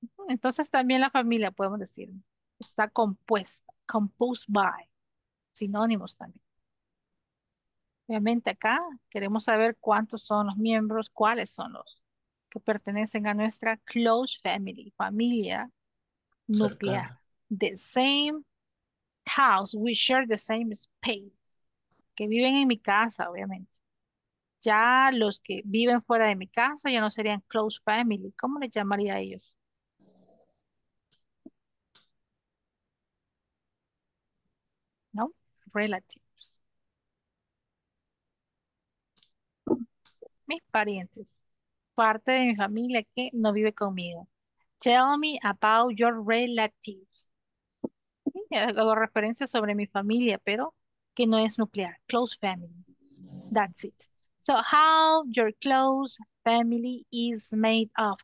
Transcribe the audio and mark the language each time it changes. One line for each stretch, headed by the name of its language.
Spanish: Entonces también la familia, podemos decir, está compuesta.
English: Composed by.
Spanish: Sinónimos también. Obviamente acá queremos saber cuántos son los miembros, cuáles son los que pertenecen a nuestra
English: close family,
Spanish: familia nuclear. Cercana.
English: The same house, we share the same space.
Spanish: Que viven en mi casa, obviamente. Ya los que viven fuera de mi casa ya no serían
English: close family.
Spanish: ¿Cómo les llamaría a ellos? ¿No? Relative. Mis parientes, parte de mi familia que no vive conmigo.
English: Tell me about your relatives.
Spanish: Hago referencia sobre mi familia, pero que no es nuclear.
English: Close family. That's it. So, how your close family is made of.